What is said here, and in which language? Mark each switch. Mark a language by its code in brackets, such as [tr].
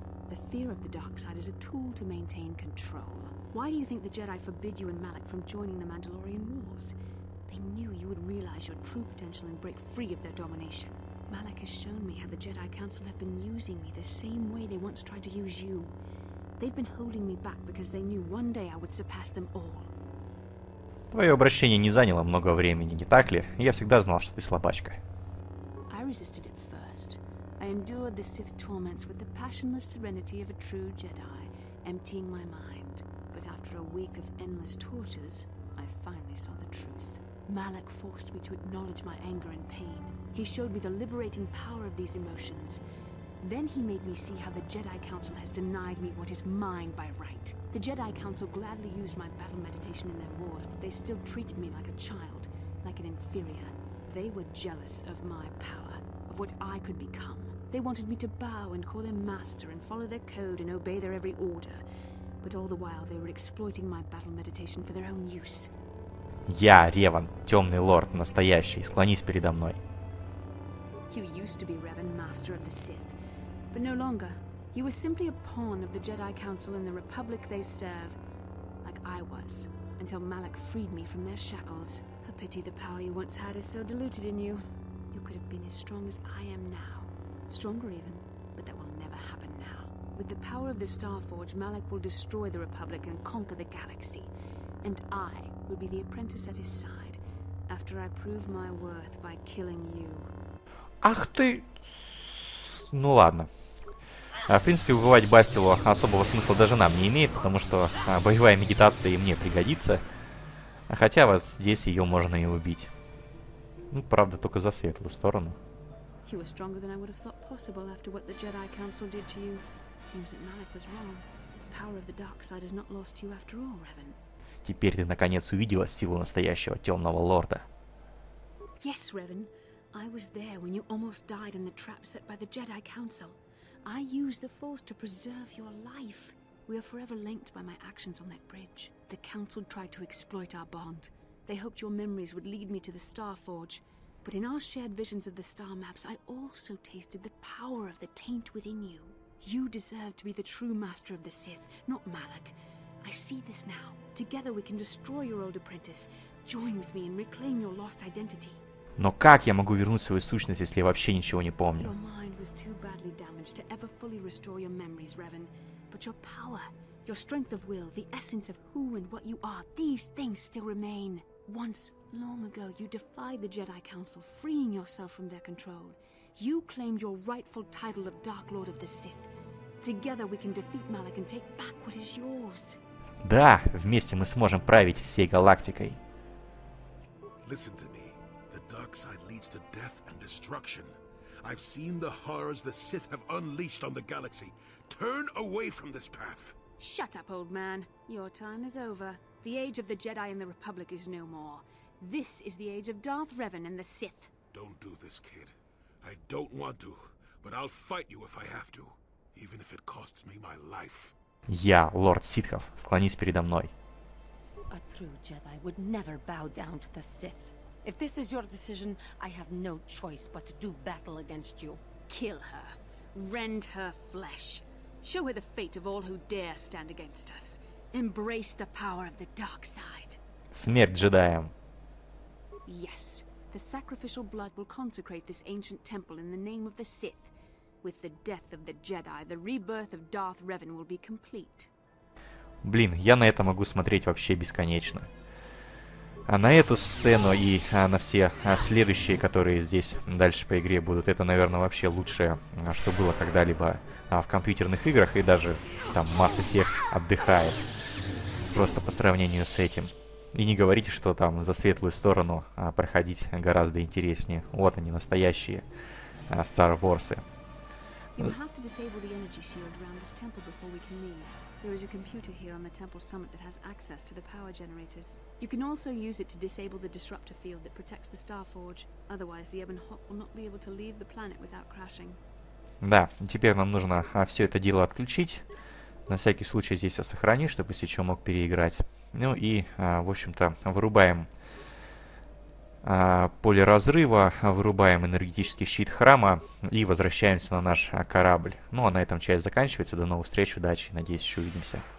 [en] The fear of the dark side is a tool to maintain control. Why do you think the Jedi forbid you and Malak from joining the Mandalorian Wars? They knew you would realize your true potential and break free of their domination. Malak has shown me how the Jedi Council have been using me the same way they once tried to use you. They've been holding me back because they knew one day I would surpass them all. [ru] Твое обращение не заняло много времени, не так ли? Я всегда знал, что ты слабачка. [en] I resisted it first. I endured the Sith torments with the passionless serenity of a true Jedi, emptying my mind. But after a week of endless tortures, I finally saw the truth. Malak forced me to acknowledge my anger and pain. He showed me the liberating power of these emotions. Then he made me see how the Jedi Council has denied me what is mine by right. The Jedi Council gladly used my battle meditation in their wars, but they still treated me like a child, like an inferior. They were jealous of my power, of what I could become. They wanted me to bow and call them master and follow their code and obey their every order. But all the while they were exploiting my battle meditation for their own use. [ru] Я, Реван, темный лорд, настоящий. Склонись передо мной. [en] You used to be Revan, master of the Sith. But no longer. You were simply a pawn of the Jedi Council and the Republic they serve, like I was, until Malak freed me from their shackles. A pity the power you once had is so diluted in you. You could have been as strong as I am now. Stronger even, but that will never happen now. With the power of the Starforge, Malak will destroy the Republic and conquer the galaxy. And I will be the apprentice at his side, after I prove my worth by killing you. [ru] Ах ты... Ну ладно. В принципе, убивать Бастилу особого смысла даже нам не имеет, потому что боевая медитация и мне пригодится. Хотя вот здесь ее можно и убить. Ну, правда, только за светлую сторону. Ты был сильнее, чем я бы думал, после того, что Джедай Консул сделал тебе. Кажется, что Малик был прав. Сила темной стороны не потеряла тебя, после всего, Ревен. Теперь ты наконец увидела силу настоящего темного лорда. Да, [en] yes, [ru] Ревен. [en] I was there when you almost died in the trap set by the Jedi Council. I used the Force to preserve your life. We are forever linked by my actions on that bridge. The Council tried to exploit our bond. They hoped your memories would lead me to the Starforge. But in our shared visions of the star maps, I also tasted the power of the taint within you. You deserve to be the true master of the Sith, not Malak. I see this now. Together we can destroy your old apprentice. Join with me and reclaim your lost identity. [ru] Но как я могу вернуть свою сущность, если я вообще ничего не помню? [en] Your mind was too badly damaged to ever fully restore your memories, Revan. But your power, your strength of will, the essence of who and what you are, these things still remain. Once, long ago, you defied the Jedi Council, freeing yourself from their control. You claimed your rightful title of Dark Lord of the Sith. Together we can defeat Malak and take back what is yours. [ru] Да, вместе мы сможем править всей галактикой. [en] Listen to me. The dark side leads to death and destruction. I've seen the horrors the Sith have unleashed on the galaxy. Turn away from this path. Shut up, old man. Your time is over. The age of the Jedi and the Republic is no more. This is the age of Darth Revan and the Sith. Don't do this, kid. I don't want to, but I'll fight you if I have to, even if it costs me my life. [ru] Я, лорд Ситхов, склонись передо мной. [en] A true Jedi would never bow down to the Sith. If this is your decision, I have no choice but to do battle against you. Kill her. Rend her flesh. Show her the fate of all who dare stand against us. Embrace the power of the dark side. [ru] Смерть джедаям. [en] Yes. The sacrificial blood will consecrate this ancient temple in the name of the Sith. With the death of the Jedi, the rebirth of Darth Revan will be complete. [ru] Блин, я на это могу смотреть вообще бесконечно. А на эту сцену и на все следующие, которые здесь дальше по игре будут, это, наверное, вообще лучшее, что было когда-либо в компьютерных играх, и даже там Mass Effect отдыхает просто по сравнению с этим. И не говорите, что там за светлую сторону проходить гораздо интереснее. Вот они, настоящие Star Wars'ы. [en] You have to disable the energy shield around this temple before we can leave. There is a computer here on the temple summit that has access to the power generators. You can also use it to disable the disruptor field that protects the Starforge. Otherwise, the Ebon Hawk will not be able to leave the planet without crashing. [ru] Да, теперь нам нужно все это дело отключить. На всякий случай здесь я сохраню, чтобы если что мог переиграть. Ну и, в общем-то, вырубаем поле разрыва, вырубаем энергетический щит храма и возвращаемся на наш корабль. Ну а на этом часть заканчивается. До новых встреч, удачи, надеюсь, еще увидимся.